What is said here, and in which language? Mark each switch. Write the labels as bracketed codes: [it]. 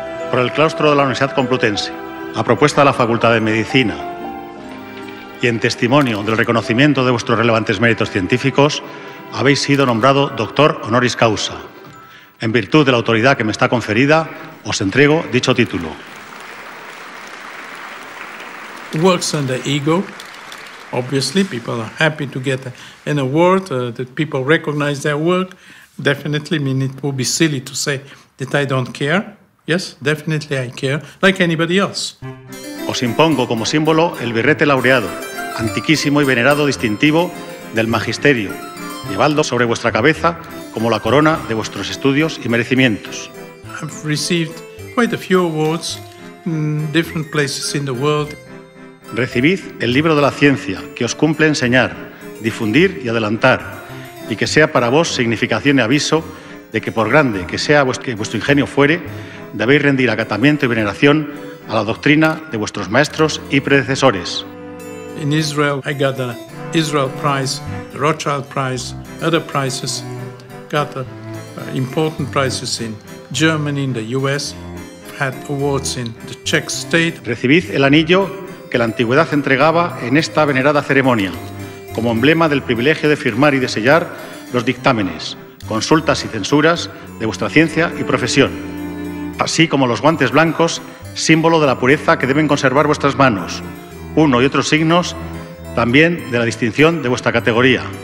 [es] por el claustro de la Universidad Complutense, a propuesta de la Facultad de Medicina y en testimonio del reconocimiento de vuestros relevantes méritos científicos, habéis sido nombrado doctor honoris causa. En virtud de la autoridad que me está conferida, os entrego dicho título. [en] Works on the ego. Obviously, people are happy to get an award, that people recognize their work. Definitely, I mean, it would be silly to say that I don't care. Yes, definitely I care, like anybody else. [es] Os impongo como símbolo el birrete laureado, antiquísimo y venerado distintivo del magisterio, llevando sobre vuestra cabeza como la corona de vuestros estudios y merecimientos. [en] I've received quite a few awards in different places in the world. [es] Recibid el libro de la ciencia que os cumple enseñar, difundir y adelantar, y que sea para vos significación y aviso de que por grande que sea vuestro ingenio fuere, debéis rendir acatamiento y veneración a la doctrina de vuestros maestros y predecesores. [en] In Israel, I got the Israel Prize, the Rothschild Prize, other prizes, got important prizes in Germany, in the US, had awards in the Czech state. [es] Recibid el anillo que la antigüedad entregaba en esta venerada ceremonia, como emblema del privilegio de firmar y de sellar los dictámenes, consultas y censuras de vuestra ciencia y profesión, así como los guantes blancos, símbolo de la pureza que deben conservar vuestras manos, uno y otros signos también de la distinción de vuestra categoría.